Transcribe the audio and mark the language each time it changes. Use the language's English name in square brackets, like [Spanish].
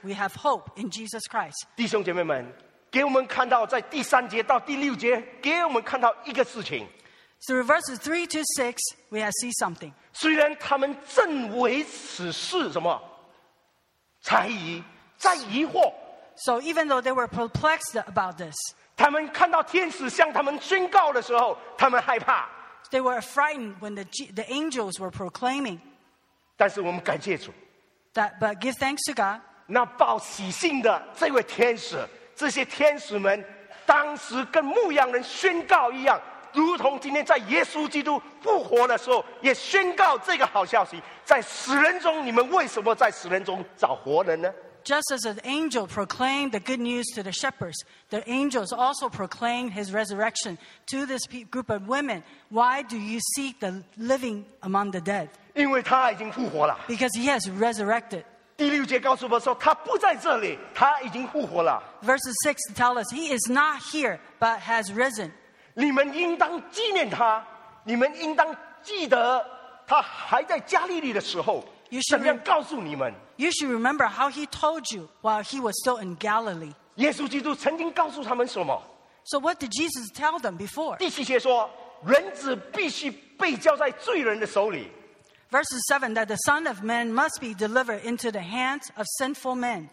[English] We have hope in Jesus Christ. [Chinese] 弟兄姐妹们，给我们看到在第三节到第六节，给我们看到一个事情。 [English] through verses 3 to 6, we have seen something. [Chinese] 虽然他们正为此事什么猜疑，在疑惑。 [English] So even though they were perplexed about this, [Chinese] 他们看到天使向他们宣告的时候，他们害怕。 [English] They were frightened when the angels were proclaiming. [Chinese] 但是我们感谢主。 [English] But give thanks to God. [Chinese] 那报喜信的这位天使，这些天使们当时跟牧羊人宣告一样，如同今天在耶稣基督复活的时候也宣告这个好消息，在死人中你们为什么在死人中找活人呢？ [English] Just as an angel proclaimed the good news to the shepherds, the angels also proclaimed his resurrection to this group of women. Why do you seek the living among the dead? [Chinese] 因为他已经复活了。 [English] Because he has resurrected. [Chinese] 第六节告诉我们说他不在这里，他已经复活了。 [English] Verses 6 tell us he is not here but has risen. [Chinese] 你们应当纪念他，你们应当记得他还在加利利的时候怎么样告诉你们。 [English] You should remember how he told you while he was still in Galilee. [Chinese] 耶稣基督曾经告诉他们什么？ [English] So what did Jesus tell them before? [Chinese] 第七节说，人子必须被交在罪人的手里。 [English] Verses 7, that the Son of Man must be delivered into the hands of sinful men.